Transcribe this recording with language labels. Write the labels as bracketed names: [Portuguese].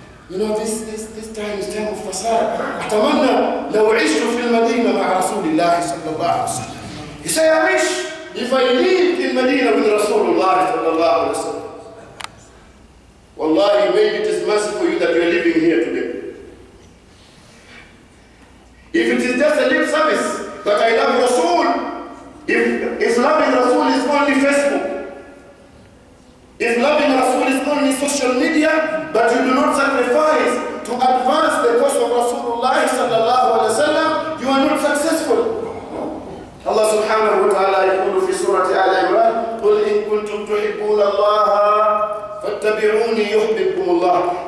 [English] You know this time is time of فساد. [Arabic] أتمنى لو عشت في المدينة مع رسول الله صلى الله عليه وسلم. [English] He say I wish if I lived in Medina with Rasulullah [Arabic] صلى الله عليه وسلم. [English] والله maybe it is mercy for you that you are living here today. If it is just a lip service, but I love Rasul, if is loving Rasul is only Facebook, if loving Rasul is only social media, but you do not sacrifice to advance the cause of Rasulullah sallallahu alaihi wasallam, you are not successful. [Arabic] Allah subhanahu wa ta'ala يقول في سورة آل عمران قل إن كنتم تحبون الله فاتبعوني يحببكم الله.